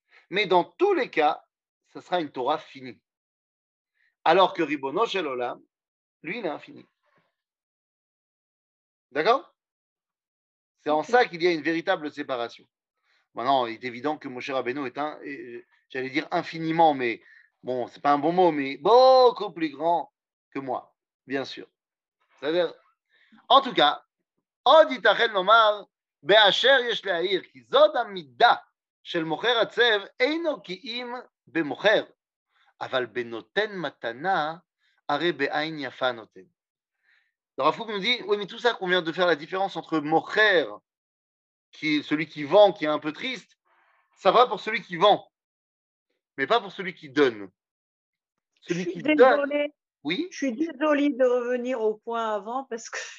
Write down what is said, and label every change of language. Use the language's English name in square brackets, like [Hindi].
[French] Mais dans tous les cas, ce sera une Torah finie. Alors que Ribono Shel Olam, lui, il est infini. D'accord ? C'est en ça qu'il y a une véritable séparation. Maintenant, il est évident que Moshe Rabbeinu est un, j'allais dire infiniment, mais bon, c'est pas un bon mot, mais beaucoup plus grand que moi, bien sûr. C'est-à-dire, en tout cas, [Hebrew] עוד יתכן לומר, באשר יש להעיר, כי זאת המידה של מוכר הצב, אינו כי אם במוכר, אבל בנותן מתנה, הרי בעין יפה נותן. [French] Alors, Foucault nous dit, oui, mais tout ça, qu'on vient de faire la différence entre mocher, qui est celui qui vend, qui est un peu triste, ça va pour celui qui vend, mais pas pour celui qui donne. Celui qui donne. Je suis désolée. Oui. Je suis désolée de revenir au point avant parce que.